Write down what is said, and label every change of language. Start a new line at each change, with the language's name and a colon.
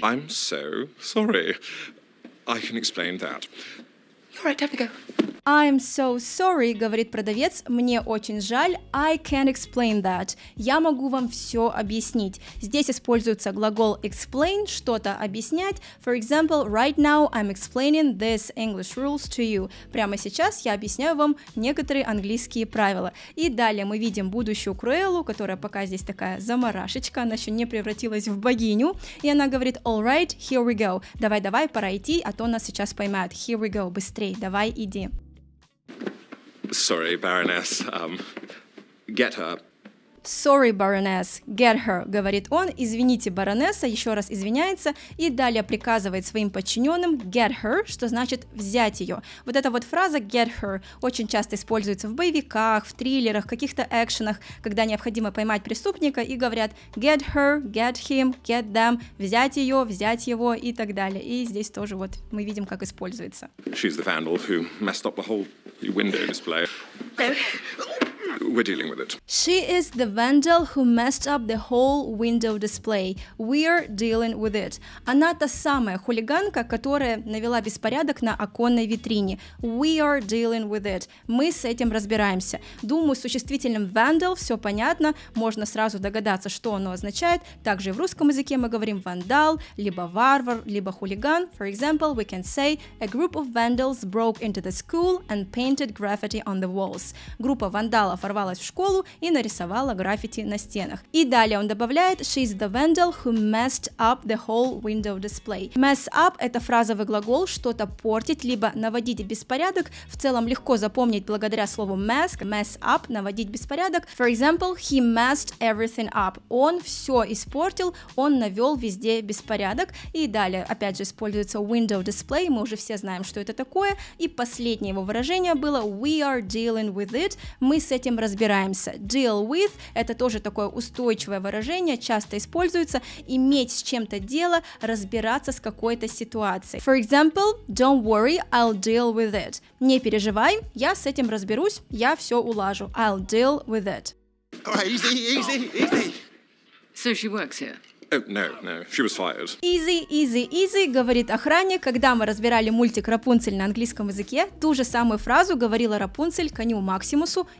English: I'm so sorry. I can explain that. All right, have a go. I'm so sorry,
Russian: говорит продавец, мне очень жаль,
English: I can explain that,
Russian: я могу вам все объяснить. Здесь используется глагол explain, что-то объяснять.
English: For example, right now I'm explaining these English rules to you.
Russian: Прямо сейчас я объясняю вам некоторые английские правила. И далее мы видим будущую Круэллу, которая пока здесь такая заморашечка, она еще не превратилась в богиню, и она говорит,
English: all right, here we go,
Russian: давай-давай, пора идти, а то нас сейчас поймают,
English: here we go,
Russian: быстрее. Давай, иди.
English: Sorry, Baroness. Get her. Sorry, Baroness. Get her,
Russian: говорит он. Извините, баронесса, еще раз извиняется и далее приказывает своим подчиненным
English: get her,
Russian: что значит взять ее. Вот эта вот фраза
English: get her
Russian: очень часто используется в боевиках, в триллерах, в каких-то экшенах, когда необходимо поймать преступника и говорят
English: get her, get him, get them,
Russian: взять ее, взять его и так далее. И здесь тоже вот мы видим, как используется.
English: She's the vandal who messed up the whole window display. We're dealing with it. She is the vandal who messed up the whole window display. We're dealing with it.
Russian: Она та самая хулиганка, которая навела беспорядок на оконной витрине.
English: We are dealing with it.
Russian: Мы с этим разбираемся. Думаю, с существительным vandal все понятно. Можно сразу догадаться, что оно означает. Также в русском языке мы говорим вандал, либо варвар, либо хулиган.
English: For example, we can say a group of vandals broke into the school and painted graffiti on the walls.
Russian: Группа вандалов ворвалась в школу и нарисовала граффити на стенах. И далее он добавляет
English: «She's the vandal who messed up the whole window display».
Russian: «Mess up» — это фразовый глагол «что-то портить» либо «наводить беспорядок». В целом легко запомнить благодаря слову «mask».
English: «Mess up» —
Russian: «наводить беспорядок».
English: For example, he messed everything up.
Russian: Он все испортил, он навел везде беспорядок. И далее опять же используется «window display». Мы уже все знаем, что это такое. И последнее его выражение было
English: «we are dealing with it».
Russian: Мы с этим разбираемся. Deal with – это тоже такое устойчивое выражение, часто используется. Иметь с чем-то дело, разбираться с какой-то ситуацией.
English: For example, don't worry, I'll deal with it.
Russian: Не переживай, я с этим разберусь, я все улажу.
English: I'll deal with it. Easy, easy, easy. So she works here.
Russian: Easy, говорит охранник, когда мы разбирали мультик Рапунцель на английском языке, ту же самую фразу говорила Рапунцель коню Максимусу.